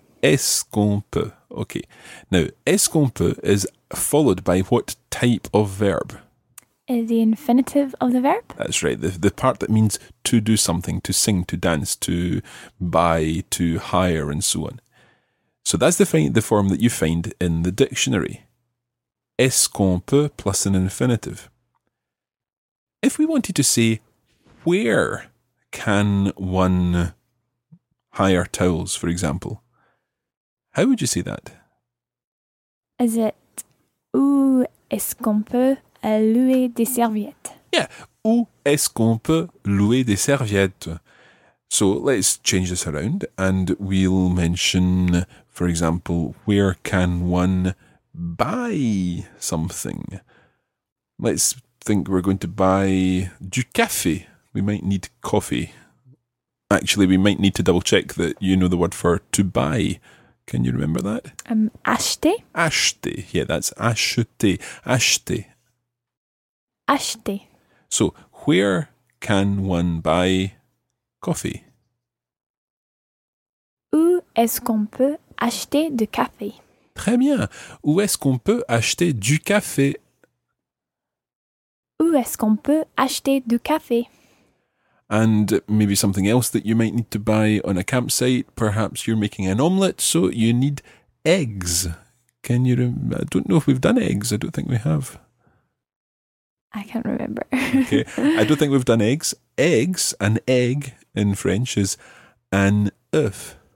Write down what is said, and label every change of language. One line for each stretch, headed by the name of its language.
French: Est-ce qu'on peut?
English: Okay. Now,
French: est-ce qu'on peut
English: is followed by what type of verb? The infinitive of the verb? That's right. The part that means to do something, to sing, to dance, to buy, to hire, and so on. So that's the form that you find in the dictionary.
French: Est-ce qu'on peut
English: plus an infinitive. If we wanted to say, where can one hire towels, for example, how would you say that? Is it,
French: où est-ce qu'on peut louer des serviettes?
English: Yeah,
French: où est-ce qu'on peut louer des serviettes?
English: So let's change this around and we'll mention, for example, where can one buy something? Let's think we're going to buy
French: du café.
English: We might need coffee. Actually, we might need to double check that you know the word for to buy. Can you remember that?
French: Acheter. Acheter.
English: Yeah, that's
French: acheter. Acheter. Acheter.
English: So where can one buy coffee?
French: Où est-ce qu'on peut acheter du café? Très bien. Où est-ce qu'on peut acheter du café? Où est-ce qu'on peut acheter du café?
English: And maybe something else that you might need to buy on a campsite. Perhaps you're making an omelette, so you need eggs. Can you? I don't know if we've done eggs. I don't think we have. I can't remember. Okay. I don't think we've done eggs. Eggs, an egg in French is an œuf.